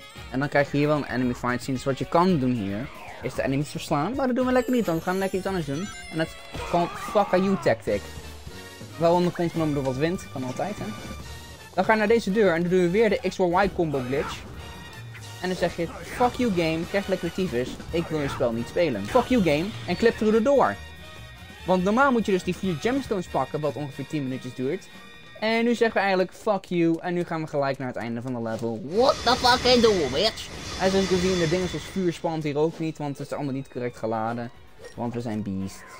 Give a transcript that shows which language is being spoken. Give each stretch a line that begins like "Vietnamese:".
Dutch: En dan krijg je hier wel een enemy fight scene. Dus wat je kan doen hier, is de enemies verslaan. Maar dat doen we lekker niet, want we gaan lekker iets anders doen. En dat is gewoon fuck a you tactic. Wel onder grond genomen door wat wind, kan altijd hè. Dan ga je naar deze deur en dan doe je weer de XY combo glitch. En dan zeg je, fuck you game, krijg lekker tyfus, ik wil je spel niet spelen.
English: Fuck you game, en clip through the door.
Dutch: Want normaal moet je dus die 4 gemstones pakken, wat ongeveer 10 minuutjes duurt. En nu zeggen we eigenlijk fuck you en nu gaan we gelijk naar het einde van de level.
English: What the fuck are you doing, bitch?
Dutch: En zoals je kunt zien, de dingen zoals vuur spant hier ook niet, want het is allemaal niet correct geladen. Want we zijn beasts.